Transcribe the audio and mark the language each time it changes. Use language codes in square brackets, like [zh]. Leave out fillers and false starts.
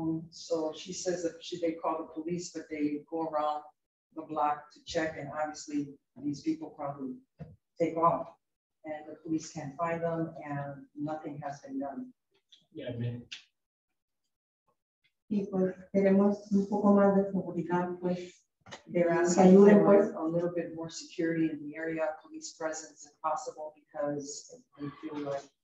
[en] So she says that they call the police, but they go around the block to check, and obviously these people probably take off, and the police can't find them, and nothing has been done. Yeah, man. [es] Y pues queremos un poco más de seguridad, pues. [en] A little bit more security in the area, police presence if possible, because they feel like.